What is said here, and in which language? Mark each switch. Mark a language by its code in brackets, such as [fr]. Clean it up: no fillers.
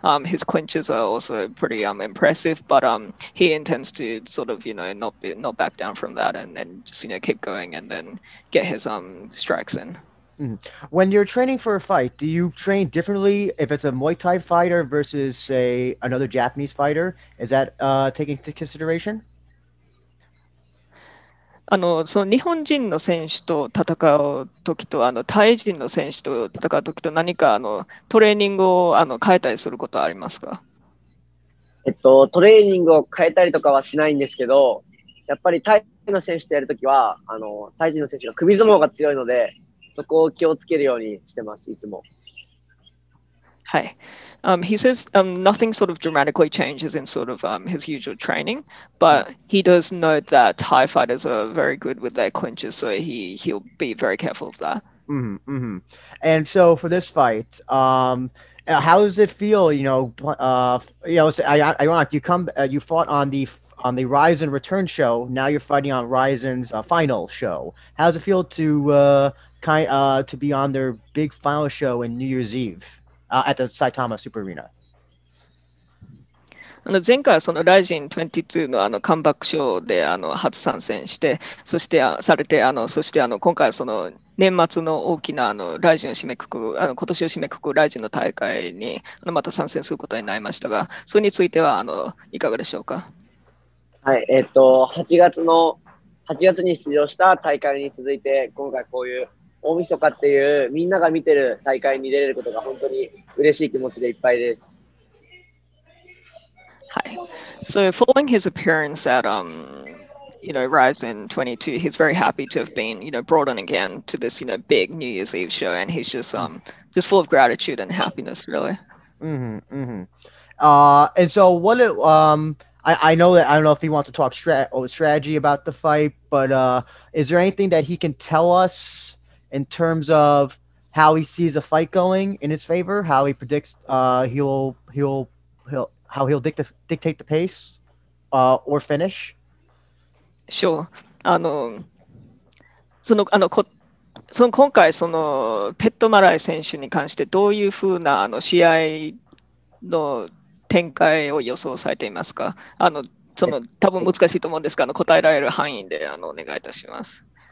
[en] His clinches are also pretty impressive, but he intends to sort of, you know, not back down from that and then just, you know, keep going and then get his strikes in. When you're training for a fight, do you train differently if it's a Muay Thai fighter versus, say, another Japanese fighter? Is that taken into consideration? [ja] その日本人の選手と戦うときと、タイ人の選手と戦うときと、何かトレーニングを変えたりすることはありますか？トレーニングを変えたりとかはしないんですけど、やっぱりタイ人の選手とやるときは、タイ人の選手が首相撲が強いので、そこを気をつけるようにしてます、いつも。はい。 [en] He says nothing sort of dramatically changes in sort of his usual training, but he does note that Thai fighters are very good with their clinches, so he'll be very careful of that. Mm-hmm. And so for this fight, how does it feel? You fought on the Ryzen Return Show. Now you're fighting on Ryzen's final show. How does it feel to to be on their big final show in New Year's Eve at the Saitama Super Arena? [ja] 前回その Ryzen 22 のカムバックショーで初参戦して、そしてされて、そして今回その年末の大きなRyzen を締めくく、今年を締めくくRyzenの大会にまた参戦することになりましたが、それについてはいかがでしょうか？はい、8月に出場した大会に続いて、今回こういう大晦日っていうみんなが見てる大会に出れることが本当に嬉しい気持ちでいっぱいです。はい。 [en] So following his appearance at you know, Ryzen 22, he's very happy to have been, you know, brought on again to this, you know, big New Year's Eve show, and he's just full of gratitude and happiness, really. And so what? I know that, I don't know if he wants to talk strategy about the fight, but is there anything that he can tell us in terms of how he sees a fight going in his favor, how he predicts he'll dictate the pace or finish? Sure. [ja] その今回そのペットマライ選手に関してどういうふうな試合の展開を予想されていますか。その多分難しいと思うんですが、答えられる範囲でお願いいたします。